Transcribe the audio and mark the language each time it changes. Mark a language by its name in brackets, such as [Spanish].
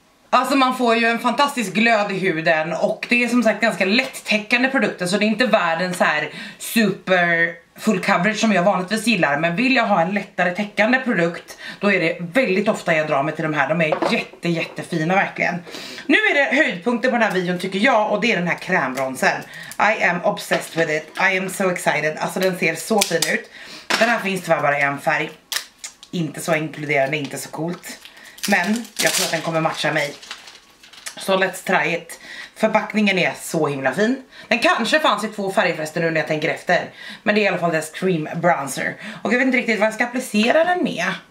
[Swedish] Alltså man får ju en fantastisk glöd i huden och det är som sagt ganska lätttäckande produkter. Så det är inte världens här super full coverage som jag vanligtvis gillar. Men vill jag ha en lättare täckande produkt, då är det väldigt ofta jag drar mig till de här. De är jättefina verkligen. Nu är det höjdpunkten på den här videon tycker jag. Och det är den här krämbronsen. [English] I am obsessed with it, I am so excited. [Swedish] Alltså den ser så fin ut. Den här finns tyvärr bara i en färg. Inte så inkluderande, inte så coolt. Men jag tror att den kommer matcha mig. Så [English] let's try it. [Swedish] Förpackningen är så himla fin. Den kanske fanns i två färger förresten nu när jag tänker efter. Men det är i alla fall dess cream bronzer. Och jag vet inte riktigt vad jag ska applicera den med.